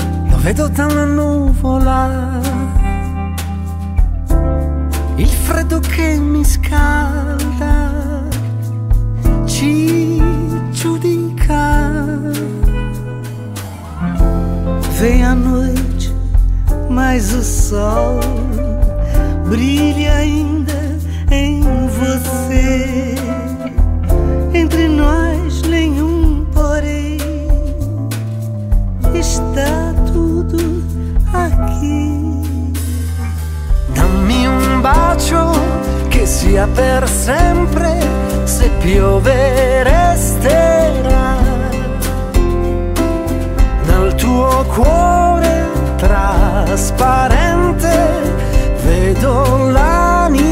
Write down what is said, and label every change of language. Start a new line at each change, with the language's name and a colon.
Italian: Lo vedo da una nuvola, il freddo che mi scalda ci giudica.
Portuguese: Vem a noite, mas o sol brilha ainda em você. Entre nós nenhum porém, está tudo aqui.
Italian: Dammi un bacio che sia per sempre, se piove resterà. Dal tuo cuore trasparente vedo l'anima.